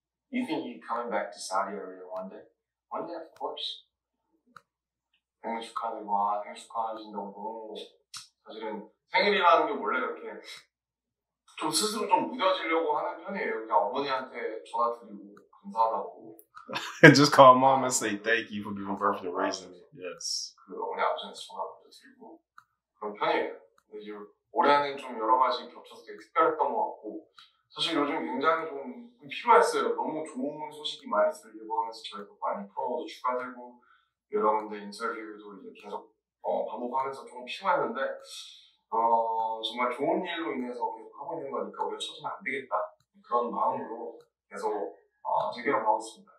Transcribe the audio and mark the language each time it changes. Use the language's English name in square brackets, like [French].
[English] You think he's coming back to Saudi Arabia one day? One day, of course. [Korean] 생일 축하드리고 생일 축하하신다고 사실은 생일이라는 게 원래 그렇게 좀 스스로 좀 무뎌지려고 하는 편이에요. 그냥 어머니한테 전화 드리고 감사하다고 [English] Just call mom and say thank you for giving birth to raising me. Yes. [Korean] 그 어머니 아버지한테 전화 드리고 그런 편이에요. 근데 이제 올해는 좀 여러 가지 겹쳐서 되게 특별했던 것 같고 사실 요즘 굉장히 좀 필요했어요. 너무 좋은 소식이 많이 들리고 하면서 저희도 많이 풀어서 축하드리고 여러분들 인터뷰도 이제 계속 반복하면서 좀 피곤했는데 정말 좋은 일로 인해서 계속 하고 있는 거니까 우리가 쳐지면 안 되겠다 그런 마음으로 계속 재결합 하고 있습니다.